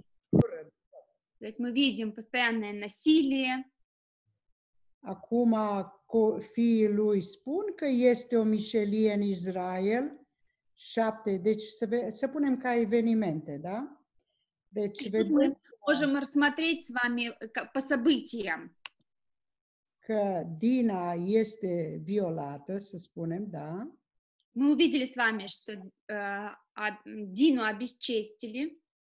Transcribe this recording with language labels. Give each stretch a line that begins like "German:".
Russian: То есть мы видим постоянное насилие.
Romanian: Acum fiii lui spun că este o mișelie în Israel, 7, deci să punem ca evenimente, да? Deci vedem,
Russian: мы можем рассмотреть с вами по событиям.
Romanian: Că Dina este violată, să spunem, да?
Russian: Мы увидели с вами, что Дину обесчестили.